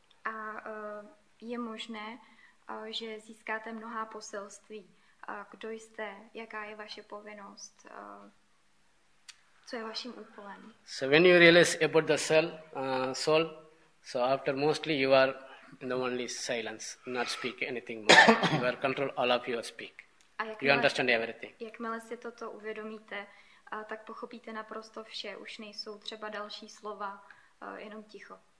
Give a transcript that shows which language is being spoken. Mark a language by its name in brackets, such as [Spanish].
[Czech] A je možné, že získáte mnohá poselství. Kdo jste, jaká je vaše povinnost, Co je vaším úkolem? [English] So when you realize about the soul, soul, so after mostly you are in the only silence, not speak anything more. You are control all of your speak. You understand everything. [Czech] Jakmile si toto uvědomíte, tak pochopíte naprosto vše. Už nejsou třeba další slova, jenom ticho.